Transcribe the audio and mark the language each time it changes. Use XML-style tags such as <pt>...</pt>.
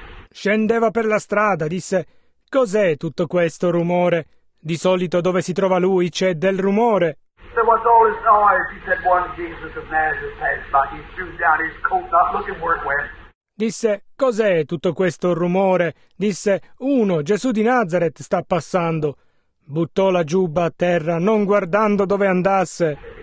<it>Scendeva per la strada, disse, cos'è tutto questo rumore? Di solito dove si trova lui c'è del rumore.</it> <en>So what's all this noise? He said, one Jesus of Nazareth passed by. He threw down his coat, not looking where it went.</en> <it>Disse, cos'è tutto questo rumore? Disse, uno, Gesù di Nazareth sta passando. Buttò la giubba a terra, non guardando dove andasse.</it>